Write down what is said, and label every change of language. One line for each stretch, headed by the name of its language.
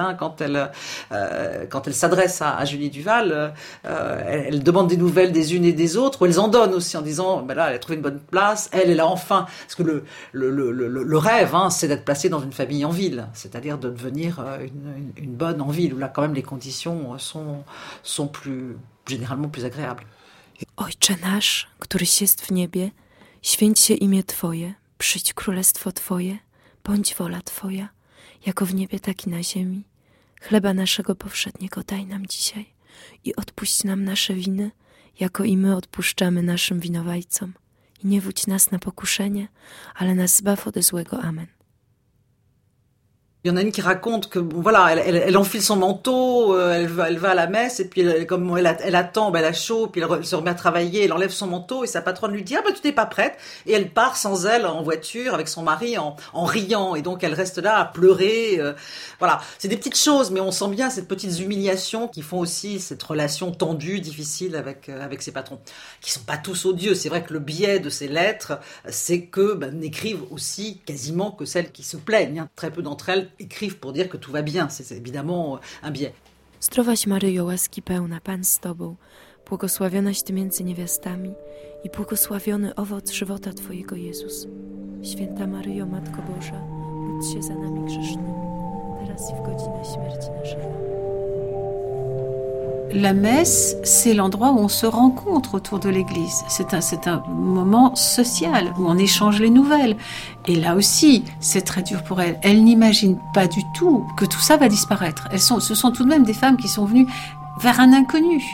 French: Hein, quand elle s'adresse à Julie Duval, elle demande des nouvelles des unes et des autres, ou elles en donnent aussi en disant ben là, elle a trouvé une bonne place, elle est là enfin. Parce que le rêve, hein, c'est d'être placée dans une famille en ville, c'est-à-dire de devenir une bonne en ville, où là quand même les conditions sont plus... Généralement plus agréable.
Polish: Ojcze nasz, któryś jest w niebie, święć się imię Twoje, przyjdź królestwo Twoje, bądź wola Twoja, jako w niebie, tak i na ziemi. Chleba naszego powszedniego daj nam dzisiaj i odpuść nam nasze winy, jako i my odpuszczamy naszym winowajcom. I nie wódź nas na pokuszenie, ale nas zbaw od złego. Amen.
French: Il y en a une qui raconte que voilà, elle enfile son manteau, elle va à la messe, et puis elle attend, elle a chaud, puis elle se remet à travailler, elle enlève son manteau et sa patronne lui dit ah ben tu n'es pas prête, et elle part sans elle en voiture avec son mari en riant, et donc elle reste là à pleurer. Voilà, c'est des petites choses, mais on sent bien ces petites humiliations qui font aussi cette relation tendue, difficile avec ses patrons, qui sont pas tous odieux. C'est vrai que le biais de ces lettres, c'est que n'écrivent aussi quasiment que celles qui se plaignent, hein. Très peu d'entre elles écrivent pour dire que tout va bien, c'est évidemment un biais.
Polish: Zdrowaś Maryjo, łaski pełna, Pan z Tobą, błogosławionaś Ty między niewiastami i błogosławiony owoc żywota Twojego, Jezus. Święta Maryjo, Matko Boża, módl się za nami grzesznymi, teraz i w godzinę śmierci naszej.
French: la messe, c'est l'endroit où on se rencontre autour de l'église. C'est un moment social où on échange les nouvelles. Et là aussi, c'est très dur pour elle. Elle n'imagine pas du tout que tout ça va disparaître. Ce sont tout de même des femmes qui sont venues vers un inconnu.